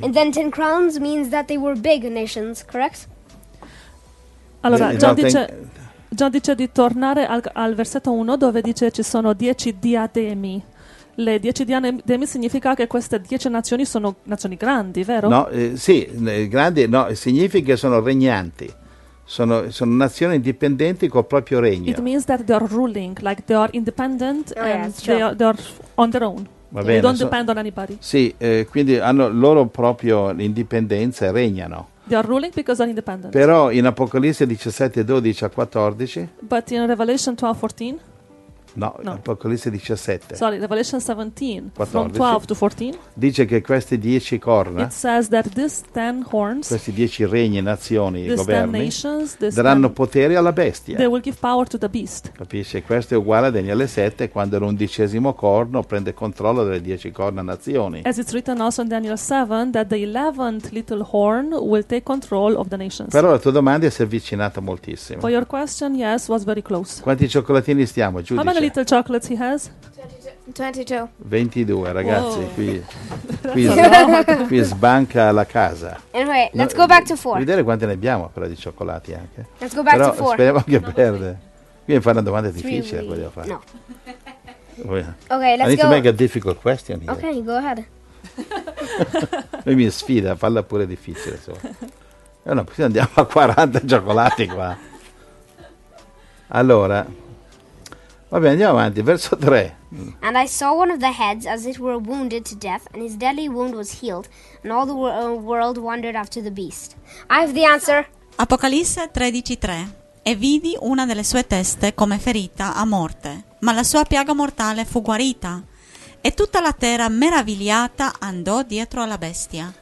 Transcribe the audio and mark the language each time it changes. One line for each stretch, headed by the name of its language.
English: And then 10 crowns means that they were big nations, correct?
Italian: Allora, John dice di tornare al versetto 1 dove dice ci sono 10 diademi. Le 10 diademi significa che queste 10 nazioni sono nazioni grandi, vero? No, grandi, no, significa che sono regnanti. Sono nazioni indipendenti col proprio regno.
English: It means that they are ruling, like they are independent they are on their own.
Italian: Va bene,
English: they don't depend on anybody.
Italian: Sì, quindi hanno loro proprio indipendenza e regnano.
English: They are ruling because they are independent.
Italian: Però in Apocalisse 17, 12 a 14.
English: But in Revelation 12, 14.
Italian: No, no. Apocalisse 17.
English: Sorry, Revelation 17, 14, from 12 to 14.
Italian: Dice che queste 10 corna.
English: It says that these 10 horns.
Italian: Questi 10 regni, nazioni,
English: these
Italian: governi.
English: These 10 nations.
Italian: Daranno potere alla bestia.
English: They will give power to the beast.
Italian: Capisci? Questo è uguale a Daniele 7, quando l'undicesimo corno prende controllo delle 10 corna nazioni.
English: As it's written also in Daniel 7, that the 11th little horn will take control of the nations.
Italian: Però la tua domanda si è avvicinata moltissimo.
English: For your question, yes, was very close.
Italian: Quanti cioccolatini stiamo, giudice?
English: How many little chocolates he has? 22.
Italian: 22, ragazzi,
English: whoa.
Italian: qui no. Qui sbanca la casa.
English: Anyway, let's go back to 4.
Italian: Vedere quante ne abbiamo però di cioccolati anche.
English: Let's go back
Italian: però
English: to 4.
Italian: Speriamo che perde. Qui mi fa una domanda difficile, voglio fare. No.
English: Okay, let's go. I need to make a difficult question here. Okay, go ahead.
Italian: Lui mi sfida, falla pure difficile. E no, così andiamo a 40 cioccolati qua. Allora. Vabbè, andiamo avanti, verso 3.
English: And I saw one of the heads as it were wounded to death, and his deadly wound was healed, and all the world wondered after the beast. I have the answer.
Italian: Apocalisse 13:3. E vidi una delle sue teste come ferita a morte, ma la sua piaga mortale fu guarita, E tutta la terra meravigliata andò dietro alla bestia.